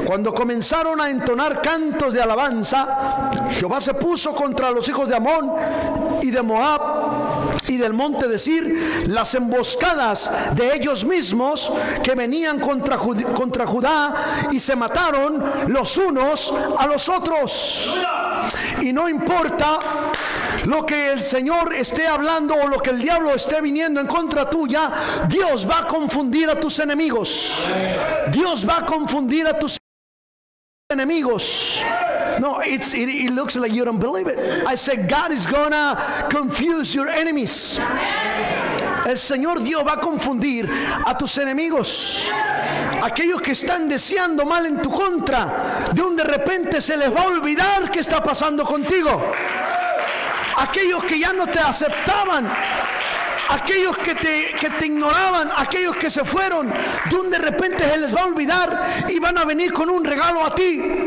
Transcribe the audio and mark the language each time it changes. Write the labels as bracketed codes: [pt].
[es] Cuando comenzaron a entonar cantos de alabanza, Jehová se puso contra los hijos de Amón y de Moab y del monte de Sir, las emboscadas de ellos mismos que venían contra Judá, y se mataron los unos a los otros. Y no importa lo que el Señor esté hablando o lo que el diablo esté viniendo en contra tuya, Dios va a confundir a tus enemigos. Dios va a confundir a tus enemigos. [en] No, it looks like you don't believe it. I said God is gonna confuse your enemies. [es] El Señor Dios va a confundir a tus enemigos. Aquellos que están deseando mal en tu contra, de un de repente se les va a olvidar qué está pasando contigo. Aquellos que ya no te aceptaban, aquellos que te ignoraban, aquellos que se fueron, de un de repente se les va a olvidar y van a venir con un regalo a ti.